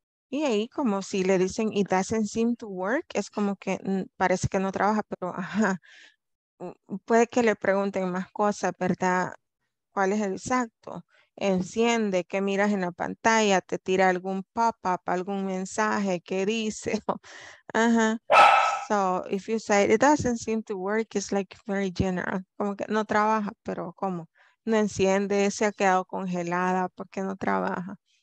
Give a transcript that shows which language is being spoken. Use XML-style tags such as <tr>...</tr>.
<es>Y ahí como si le dicen</es> <en>it doesn't seem to work,</en> <es>es como que parece que no trabaja, pero ajá. Puede que le pregunten más cosas, ¿verdad? ¿Cuál es el exacto? Enciende, qué miras en la pantalla, te tira algún pop-up, algún mensaje, qué dice. Uh-huh.</es> <en>So, if you say it doesn't seem to work, it's like very general.</en> <es>Como que no trabaja, pero ¿cómo? No enciende, se ha quedado congelada, ¿por qué no trabaja?</es>